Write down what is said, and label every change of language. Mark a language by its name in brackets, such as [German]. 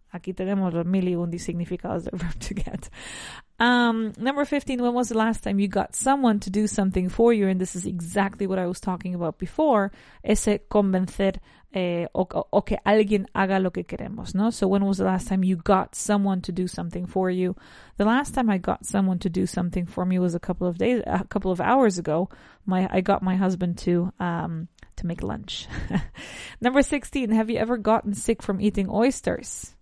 [Spanish] Aquí tenemos los mil y un significados del verb to get. [English] Number 15, when was the last time you got someone to do something for you? And this is exactly what I was talking about before. [Spanish] Ese convencer o que alguien haga lo que queremos, ¿no? [English] So when was the last time you got someone to do something for you? The last time I got someone to do something for me was a couple of hours ago. I got my husband to make lunch. Number 16, have you ever gotten sick from eating oysters?